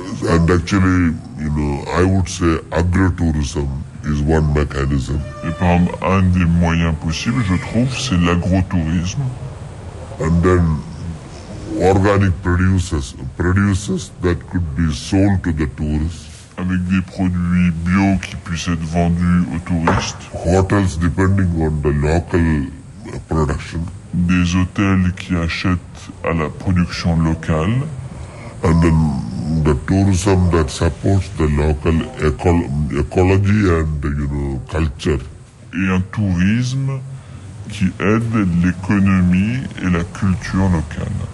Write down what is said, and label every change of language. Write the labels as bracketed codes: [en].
[en] And actually, you know, I would say agrotourism is one mechanism. [fr] Et par exemple, un des moyens possibles, je trouve, c'est l'agrotourisme. [en] And then organic producers that could be sold to the tourists. [fr] Avec des produits bio qui puissent être vendus aux touristes. [en] Hotels depending on the local production. [fr] Des hôtels qui achètent à la production locale. [en] And then the tourism that supports the local ecology and, you know, culture. [fr] Et un tourisme qui aide l'économie et la culture locale.